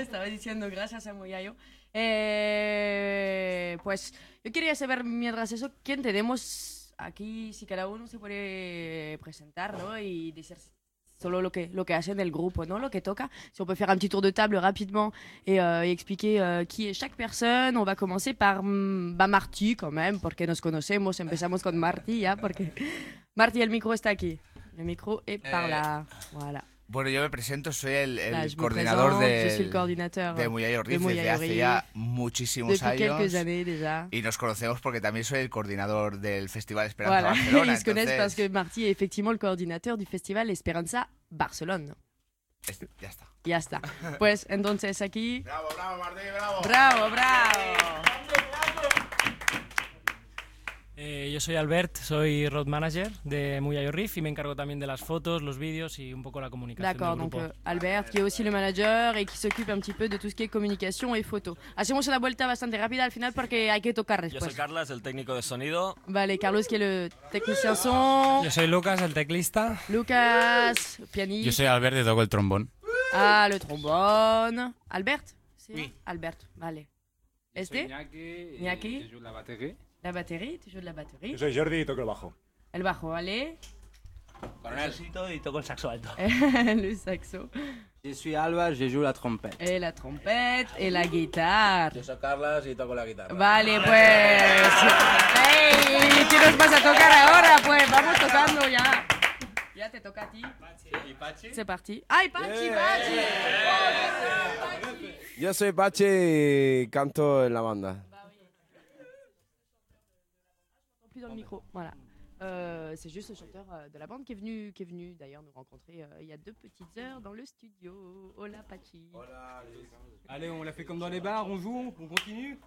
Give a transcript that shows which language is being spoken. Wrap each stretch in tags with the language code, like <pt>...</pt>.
<es>Diciendo gracias a Muyayo. Pues yo quería saber, mientras eso, quién tenemos aquí, si cada uno se puede presentar, ¿no? Y decir solo lo que hace en el grupo, ¿no? Lo que toca.</es> <fr>Si on peut faire un petit tour de table rapidement et expliquer qui est chaque personne. On va commencer par Marty, quand même,</fr> <es>porque nos conocemos. Empezamos con Marty, ¿ya? Porque Marty, el micro está aquí.</es> <fr>El micro est par là. Voilà.</fr> <es>Bueno, yo me presento, soy el coordinador de Muyay O'Riff desde hace ya muchísimos</es> <fr>depuis</fr> <es>años.</es> <fr>Quelques années, déjà.</fr> <es>Y nos conocemos porque también soy el coordinador del Festival Esperanza Barcelona.</es> <fr>Ils se connaissent parce que Marty est effectivement le coordinateur du Festival Esperanza Barcelona.</fr> <es>Ya está. Ya está. Pues entonces aquí. Bravo, bravo, Marty, bravo. Bravo, bravo. Yo soy Albert, soy road manager de Muyay O'Riff y me encargo también de las fotos, los vídeos y un poco la comunicación.</es> <fr>D'accord,</fr> <es>del grupo.</es> <fr>Donc Albert, qui est aussi le manager et qui s'occupe un petit peu de tout ce qui est communication et photo.</fr> <es>Hacemos una vuelta bastante rápida al final porque hay que tocar después. Yo soy Carlos, el técnico de sonido. Vale,</es> <fr>Carlos, qui est le technicien son.</fr> <es>Yo soy Lucas, el teclista. Lucas, pianista. Yo soy Albert, y toco el trombón.</es> <fr>Ah, le trombone. Albert,</fr> <es>sí.</es> <fr>Oui.</fr> <es>Albert, vale. Este. Soy Iñaki,</es> <fr>je joue la batterie.</fr> <es>La batería, tú</es> <fr>joues</fr> <es>la batería. Yo soy Jordi y toco el bajo. El bajo, ¿vale? Coronelcito y toco el saxo alto. El saxo. Yo soy Alba, yo</es> <fr>joue</fr> <es>la trompeta. Y la trompeta y la guitarra. Yo soy Carlos y toco la guitarra. Vale, pues. ¡Ey! ¿Qué nos vas a tocar ahora? Pues vamos tocando ya. Ya te toca a ti. ¿Y Pachi?</es> <fr>C'est parti. ¡Ay, Pachi! Yeah. ¡Pachi!</fr> <es>Yo soy Pachi y canto en la banda.</es> <fr>Dans le micro, voilà. C'est juste le chanteur de la bande qui est venu d'ailleurs nous rencontrer il y a deux petites heures dans le studio.</fr> <es>Hola, Pachi.</es> <fr>Allez, on l'a fait comme dans les bars, on joue, on continue.</fr>